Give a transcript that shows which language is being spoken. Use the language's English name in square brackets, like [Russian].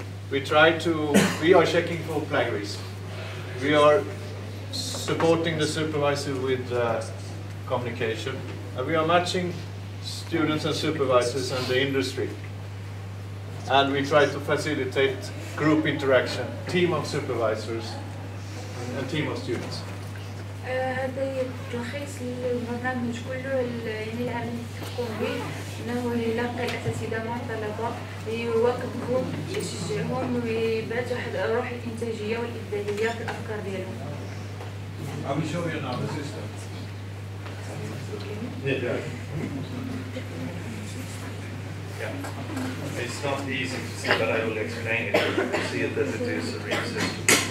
[English] We are checking for plagiaries. We are supporting the supervisor with communication. And we are matching students and supervisors and the industry. And we try to facilitate group interaction, team of supervisors and team of students. [Arabic] هذا تلخيص للبرنامج كله يعني اللي عملت تقوم به انه يلقي الاساتذه مع الطلبه يواكب جروب يشجعهم ويبعثوا واحد الروح الانتاجيه والابداعيه في الافكار ديالهم. [English] I'm show you now the system. Yeah. It's not easy to see, but I will explain it. You see it that it is a real system.